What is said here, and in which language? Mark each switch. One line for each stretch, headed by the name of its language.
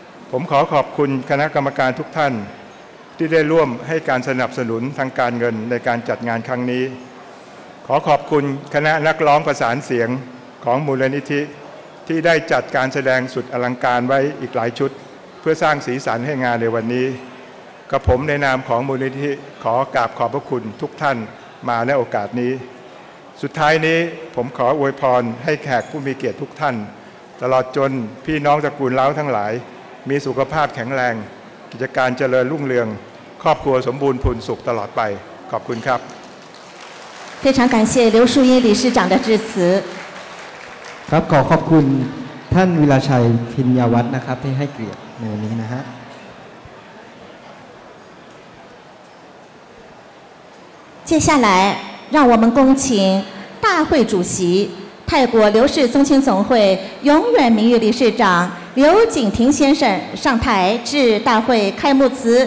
Thai: ผมขอขอบคุณคณะกรรมการทุกท่านที่ได้ร่วมให้การสนับสนุนทางการเงินในการจัดงานครั้งนี้ขอขอบคุณคณะนักร้องประสานเสียงของมูลนิธิที่ได้จัดการแสดงสุดอลังการไว้อีกหลายชุดเพื่อสร้างสีสันให้งานในวันนี้กับผมในนามของมูลนิธิขอกราบขอบพระคุณทุกท่านมาในโอกาสนี้ สุดท้ายนี้ผมขออวยพรให้แขกผู้มีเกียรติทุกท่านตลอดจนพี่น้องตระกูลเล้าทั้งหลายมีสุขภาพแข็งแรงกิจการเจริญรุ่งเรืองครอบครัวสมบูรณ์พูนสุขตลอดไปขอบคุณครับ
Chinese: 非常感谢刘树英理事长的致辞
Thai: ครับขอขอบคุณท่านวิลาชัยพิญญาวัฒน์นะครับที่ให้เกียรติในวันนี้นะฮะ ต่อไป
Chinese: 让我们恭请大会主席泰国刘氏宗亲总会永远名誉理事长刘景庭先生上台致大会开幕词